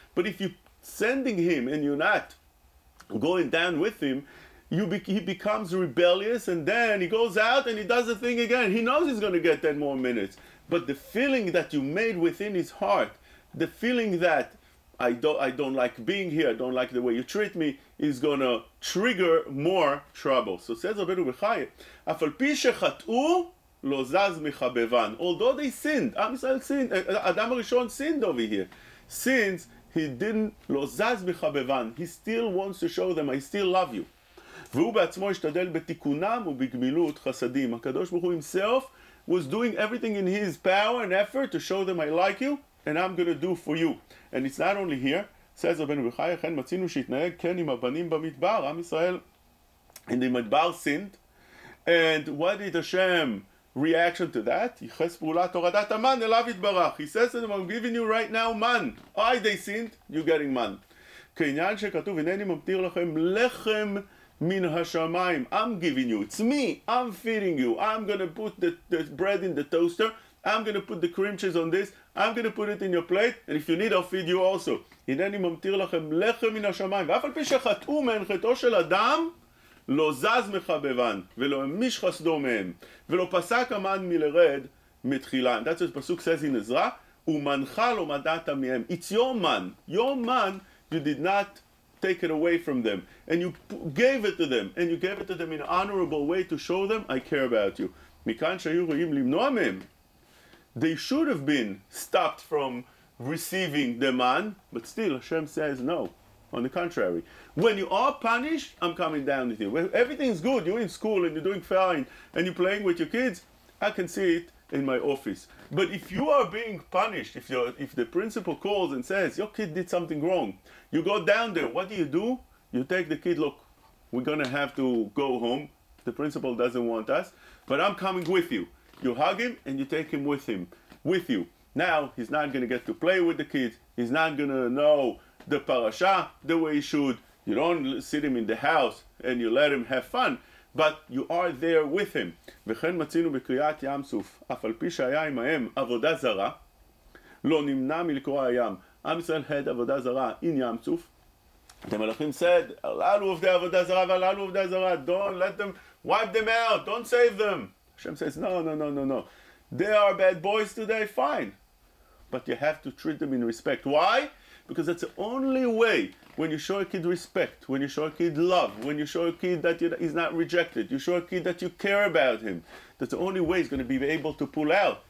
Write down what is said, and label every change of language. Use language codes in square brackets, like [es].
[en] But if you're sending him and you're not going down with him, he becomes rebellious. And then he goes out and he does the thing again. He knows he's going to get 10 more minutes. But the feeling that you made within his heart, the feeling that I don't like being here, I don't like the way you treat me, is going to trigger more trouble. So says [he] Rabbeinu Bechaya, אף על פי שחטאו, לא זז מחבבן. [en] Although they sinned, Am Yisrael sinned, Adam Rishon sinned over here. Since he didn't, [he] לא זז מחבבן, [en] he still wants to show them, I still love you. [he] והוא בעצמו השתדל בתיקונם ובגמילות חסדים. [en] הקדוש ברוך הוא himself was doing everything in his power and effort to show them I like you, and I'm going to do for you. And it's not only here, says Rabbeinu Bechaya, [he] אכן מצינו שהתנהג כן עם הבנים במדבר, עם ישראל, [en] in the midbar sinned. And what did Hashem reaction to that? [he] יחס פעולת הורדת המן אליו יתברך. [en] He says to them, I'm giving you right now man. I, they sinned, you're getting man. [he] כעניין שכתוב, הנני ממתיר לכם לחם מן השמיים. [en] I'm giving you, it's me, I'm feeding you. I'm going to put the bread in the toaster. I'm going to put the cream cheese on this. I'm going to put it in your plate, and if you need, I'll feed you also. [he] הנני ממתיר לכם לחם מן השמיים, ואף על פי שחטאו מהן חטאו של אדם, לא זז מחבבן ולא המיש חסדו מהם ולא פסק המן מלרד מתחילה. [en] That's what [he] פסוק says in עזרה, ומנחה לא מדעת מהם. [en] It's your man. Your man, you did not take it away from them. And you gave it to them. And you gave it to them in an honorable way to show them, I care about you. [he] מכאן שהיו רואים למנוע מהם. [en] They should have been stopped from receiving the man, but still Hashem says no. On the contrary, when you are punished, I'm coming down with you. When everything's good, you're in school and you're doing fine and you're playing with your kids, I can see it in my office. But if you are being punished, if the principal calls and says your kid did something wrong, you go down there, what do? You take the kid, look, we're gonna have to go home, the principal doesn't want us, but I'm coming with you. You hug him and you take him with you. Now he's not gonna get to play with the kids, he's not gonna know the parasha the way he should. You don't sit him in the house and you let him have fun, but you are there with him. [he] וכן מצינו בקריאת ים סוף, אף על פי שהיה עמהם עבודה זרה, לא נמנע מלקרוע הים. [en] עם ישראל had עבודה זרה in ים סוף. The מלאכים said, [he] הללו עובדי עבודה זרה והללו עובדי זרה, [en] don't let them, wipe them out, don't save them. Hashem says, no. They are bad boys today, fine. But you have to treat them in respect. Why? Because that's the only way. When you show a kid respect, when you show a kid love, when you show a kid that he's not rejected, you show a kid that you care about him, that's the only way he's going to be able to pull out.